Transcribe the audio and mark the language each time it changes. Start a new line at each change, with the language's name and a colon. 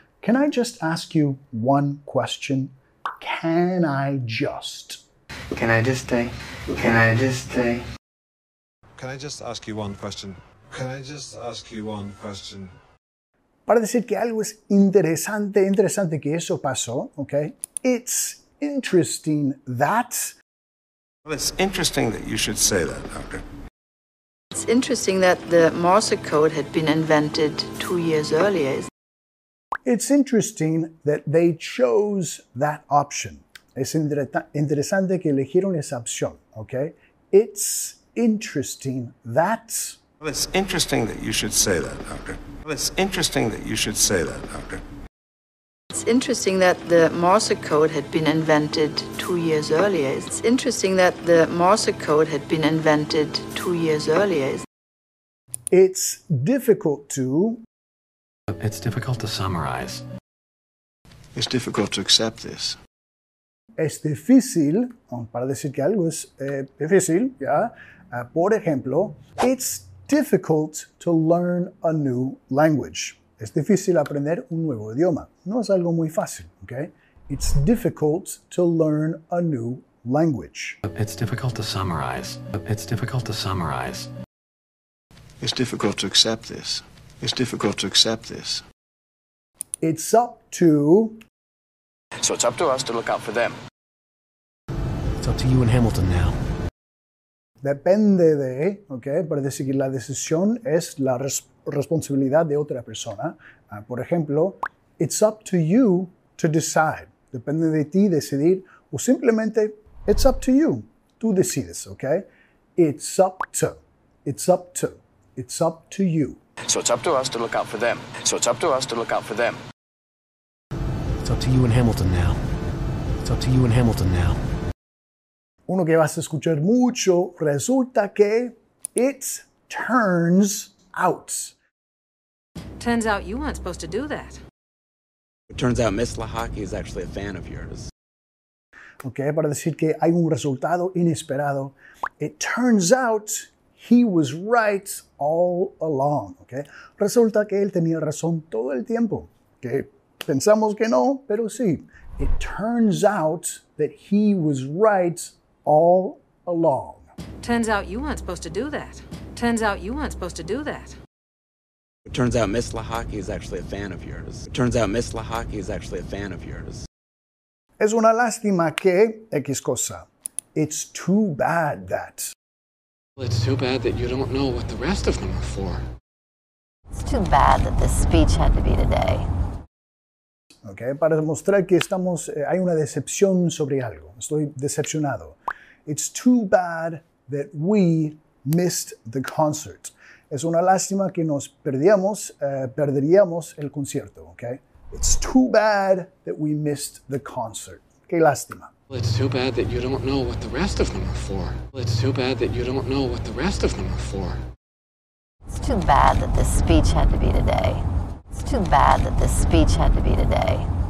English: Can I just ask you one question? Can I just? Can I just stay? Can I just stay? Can I just ask you one question? Can I just ask you one question?
Spanish: Para decir que algo es interesante, interesante que eso pasó, okay?
English: It's interesting that. Well, it's interesting that you should say that, doctor. It's interesting that the Morse code had been invented 2 years earlier. It's interesting that they chose that option.
Spanish: Es interesante que eligieron esa opción, okay?
English: It's interesting that... Well, it's interesting that you should say that, Doctor. Well, it's interesting that you should say that, Doctor. It's interesting that the Morse code had been invented 2 years earlier. It's interesting that the Morse code had been invented 2 years earlier. It's difficult to... It's difficult to summarize. It's difficult to accept this.
Spanish: Es difícil, para decir que algo es difícil, ya. Por ejemplo,
English: it's difficult to learn a new language.
Spanish: Es difícil aprender un nuevo idioma. No es algo muy fácil, okay?
English: It's difficult to learn a new language. It's difficult to summarize. It's difficult to summarize. It's difficult to accept this. It's difficult to accept this. It's up to... So it's up to us to look out for them. It's up to you and Hamilton now.
Spanish: Depende de, okay, para decir que la decisión es la responsabilidad de otra persona. Por ejemplo,
English: it's up to you to decide.
Spanish: Depende de ti decidir. O simplemente,
English: it's up to you.
Spanish: Tú decides,
English: okay? It's up to. It's up to. It's up to you. So it's up to us to look out for them. So it's up to us to look out for them. It's up to you and Hamilton now. It's up to you and Hamilton now.
Spanish: Uno que vas a escuchar mucho, resulta que
English: it turns out. Turns out you weren't supposed to do that. It turns out Miss Lahaki is actually a fan of yours.
Spanish: Okay, para decir que hay un resultado inesperado.
English: It turns out he was right all along.
Spanish: Okay, resulta que él tenía razón todo el tiempo. Okay, pensamos que no, pero sí.
English: It turns out that he was right all along. Turns out you weren't supposed to do that. Turns out you weren't supposed to do that. It turns out Miss Lahaki is actually a fan of yours. It turns out Miss Lahaki is actually a fan of yours.
Spanish: Es una lástima que X cosa.
English: It's too bad that. Well, it's too bad that you don't know what the rest of them are for. It's too bad that this speech had to be today.
Spanish: Okay, para demostrar que estamos, hay una decepción sobre algo. Estoy decepcionado.
English: It's too bad that we missed the concert.
Spanish: Es una lástima que nos perdíamos, perderíamos el concierto, okay?
English: It's too bad that we missed the concert.
Spanish: Qué lástima.
English: Well, it's too bad that you don't know what the rest of them are for. Well, it's too bad that you don't know what the rest of them are for. It's too bad that this speech had to be today. It's too bad that this speech had to be today.